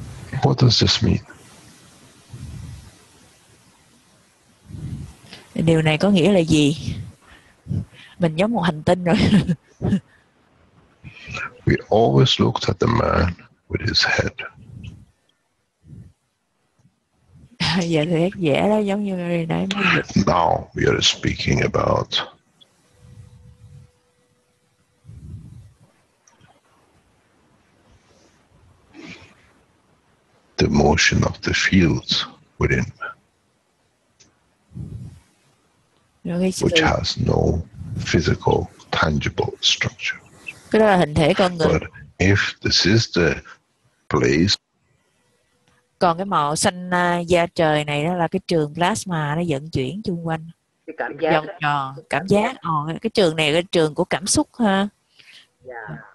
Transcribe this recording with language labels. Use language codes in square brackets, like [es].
[en] What does this mean? [vi] Điều này có nghĩa là gì? Mình giống một hành tinh rồi. [en] We always looked at the man with his head. [vi] Giờ thì dễ đó, giống như nãy. [en] Now we are speaking about the motion of the fields within, which has no physical, tangible structure. [vi] Cái đó là hình thể con người. [en] But if this is the place, [vi] còn cái màu xanh da trời này đó là cái trường plasma nó vận chuyển chung quanh. Cái cảm giác. Cảm giác. Cái trường này là cái trường của cảm xúc ha. Yeah.